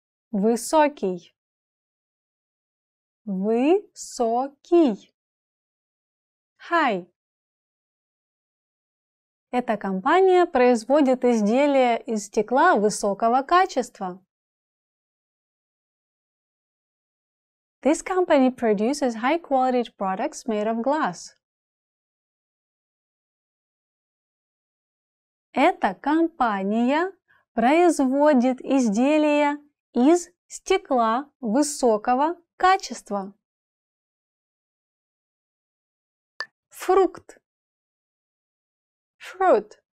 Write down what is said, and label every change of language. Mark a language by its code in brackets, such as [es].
[ru] Высокий. Высокий. [en] High. [ru] Эта компания производит изделия из стекла высокого качества. [en] This company produces high-quality products made of glass. [ru] Эта компания производит изделия из стекла высокого качества. Фрукт. Fruit.